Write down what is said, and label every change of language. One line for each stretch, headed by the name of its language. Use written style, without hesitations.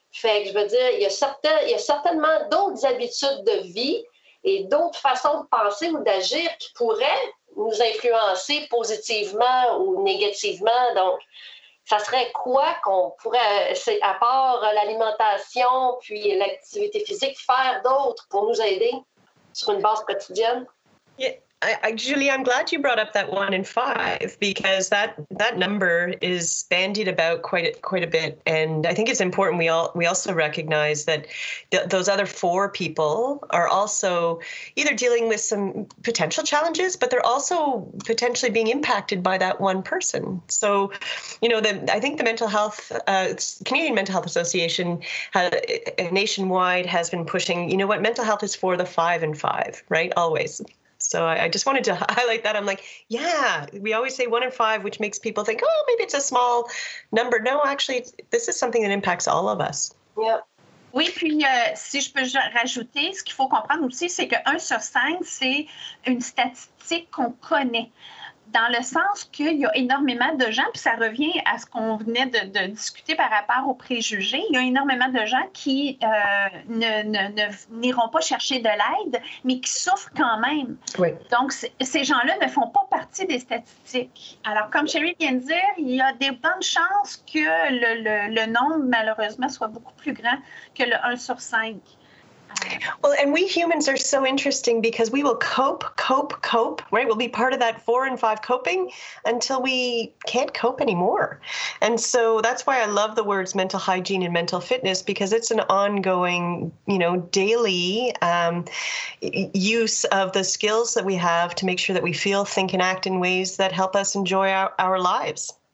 French: Fait que je veux dire, il y a certainement d'autres habitudes de vie et d'autres façons de penser ou d'agir qui pourraient nous influencer positivement ou négativement. Donc, ça serait quoi qu'on pourrait, à part l'alimentation puis l'activité physique, faire d'autres pour nous aider sur une base quotidienne?
English: Yeah. Julie, I'm glad you brought up that 1 in 5 because that number is bandied about quite a bit, and I think it's important we also recognize that those other 4 people are also either dealing with some potential challenges, but they're also potentially being impacted by that one person. So, you know, I think the mental health Canadian Mental Health Association nationwide has been pushing. You know what? Mental health is for the 5 in 5, right? Always. So I just wanted to highlight that. I'm like, yeah, we always say 1 in 5, which makes people think, oh, maybe it's a small number. No, actually, this is something that impacts all of us. Yeah.
French: Oui, puis si je peux rajouter, ce qu'il faut comprendre aussi, c'est que 1 sur 5, c'est une statistique qu'on connaît. Dans le sens qu'il y a énormément de gens, puis ça revient à ce qu'on venait de discuter par rapport aux préjugés, il y a énormément de gens qui n'iront pas chercher de l'aide, mais qui souffrent quand même. Oui. Donc, ces gens-là ne font pas partie des statistiques. Alors, comme Sherry vient de dire, il y a des bonnes chances que le nombre, malheureusement, soit beaucoup plus grand que le 1 sur 5.
English: Well, and we humans are so interesting because we will cope, right? We'll be part of that 4 in 5 coping until we can't cope anymore. And so that's why I love the words mental hygiene and mental fitness, because it's an ongoing, you know, daily use of the skills that we have to make sure that we feel, think, and act in ways that help us enjoy our lives.